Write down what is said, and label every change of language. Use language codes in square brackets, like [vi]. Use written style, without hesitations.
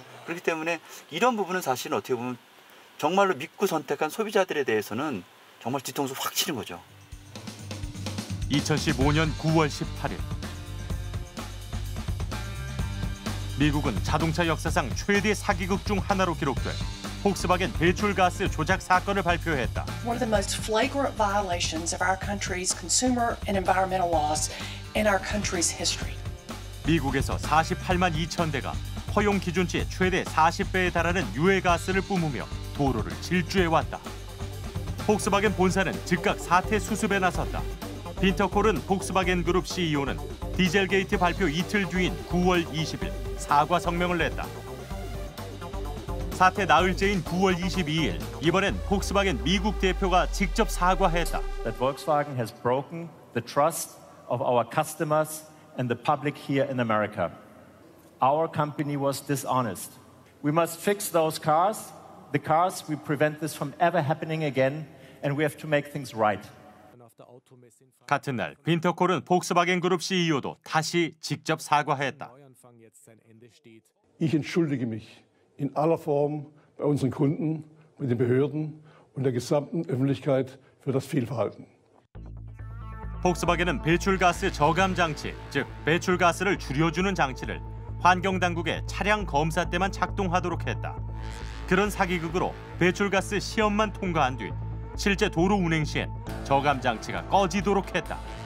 [ko] 그렇기 때문에 이런 부분은 사실 어떻게 보면 정말로 믿고 선택한 소비자들에 대해서는 정말 뒤통수 확 치는 거죠. 2015년 9월 18일. 미국은 자동차 역사상 최대 사기극 중 하나로 기록될 폭스바겐 배출가스 조작 사건을 발표했다. [en] One of the most flagrant violations of our country's consumer and environmental laws in our country's history. [ko] 미국에서 48만 2천 대가 허용 기준치의 최대 40배에 달하는 유해 가스를 뿜으며 도로를 질주해왔다. 폭스바겐 본사는 즉각 사태 수습에 나섰다. 빈터콜은 폭스바겐 그룹 CEO는 디젤 게이트 발표 이틀 뒤인 9월 20일 사과 성명을 냈다. 사태 나흘째인 9월 22일 이번엔 폭스바겐 미국 대표가 직접 사과했다. [en] That Volkswagen has broken the trust of our customers and the public here in America. Our company was dishonest. We must fix those cars. The cars, we prevent this from ever happening again, and we have to make things right. [ko] 같은 날, 빈터콜은 폭스바겐 그룹 CEO도 다시 직접 사과했다. [de] Ich entschuldige mich in aller Form bei unseren Kunden, bei den Behörden und der gesamten Öffentlichkeit für das Fehlverhalten. [ko] 폭스바겐은 배출가스 저감 장치, 즉 배출가스를 줄여주는 장치를 환경당국의 차량 검사 때만 작동하도록 했다. 그런 사기극으로 배출가스 시험만 통과한 뒤 실제 도로 운행 시엔 저감 장치가 꺼지도록 했다.